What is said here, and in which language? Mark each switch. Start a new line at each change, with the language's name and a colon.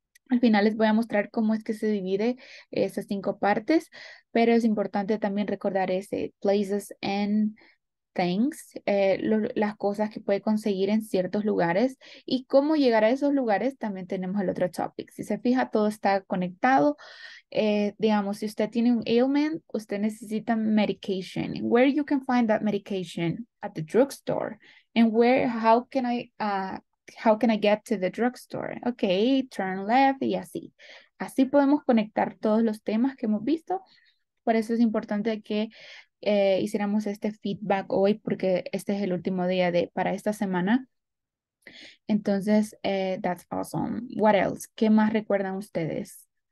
Spanish: Al final les voy a mostrar cómo es que se divide esas cinco partes, pero es importante también recordar ese
English: places and things,
Spanish: las cosas que puede conseguir en ciertos lugares y cómo llegar a esos lugares. También tenemos el otro topic. Si se fija, todo está conectado. Digamos, si usted tiene un ailment, usted necesita medication.
English: Where you can find that medication? At the drugstore. And where, how can I get to the drugstore? Okay, turn left
Spanish: y así. Así podemos conectar todos los temas que hemos visto. Por eso es importante que hiciéramos este feedback hoy porque este es el último día de para esta semana. Entonces,
English: that's awesome. What else?
Spanish: ¿Qué más recuerdan ustedes?